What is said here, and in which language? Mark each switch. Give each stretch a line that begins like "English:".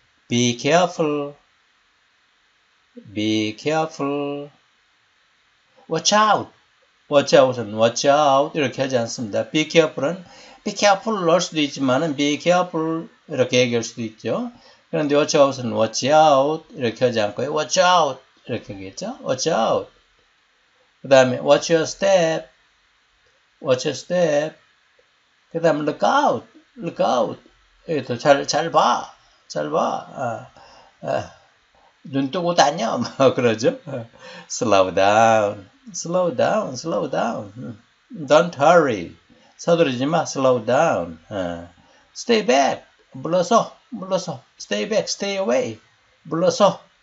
English: Be careful. Be careful. Watch out. Watch out은 watch out.
Korean: 이렇게 하지 않습니다.
English: Be careful
Korean: 은
English: be careful
Korean: 할 수도 있지만은 be careful 이렇게 얘기할 수도 있죠. 그런데
English: watch out
Korean: 은 watch out. 이렇게 하지 않고 watch out. 이렇게 얘기했죠.
English: Watch out.
Korean: 그 다음에
English: Watch your step. Watch your step.
Korean: 그 다음에
English: Look out. Look out.
Korean: 또 잘 봐. 잘 봐. 눈 뜨고 다녀. 막 그러죠.
English: Slow down. Slow down. Slow down. Don't hurry.
Korean: 서두르지 마.
English: Slow down. Stay back.
Korean: 물러서. 물러서.
English: Stay back. Stay away.
Korean: 물러서.